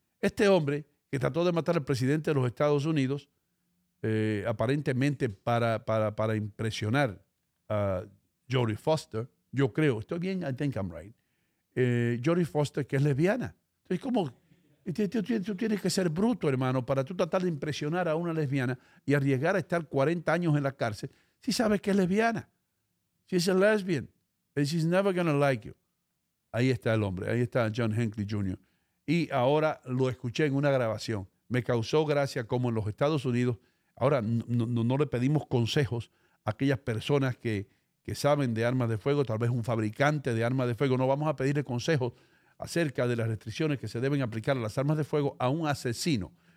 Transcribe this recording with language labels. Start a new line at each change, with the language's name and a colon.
Spanish: Este hombre que trató de matar al presidente de los Estados Unidos, aparentemente para impresionar a Jodie Foster, yo creo, estoy bien,
English: I think I'm right,
Spanish: Jodie Foster, que es lesbiana. Entonces, ¿cómo? Tú tienes que ser bruto, hermano, para tú tratar de impresionar a una lesbiana y arriesgar a estar 40 años en la cárcel si sabes que es lesbiana.
English: She's a lesbian and she's never gonna like you.
Spanish: Ahí está el hombre, ahí está John Hinckley Jr. Y ahora lo escuché en una grabación. Me causó gracia como en los Estados Unidos, ahora no le pedimos consejos a aquellas personas que saben de armas de fuego, tal vez un fabricante de armas de fuego, no vamos a pedirle consejos acerca de las restricciones que se deben aplicar a las armas de fuego a un asesino.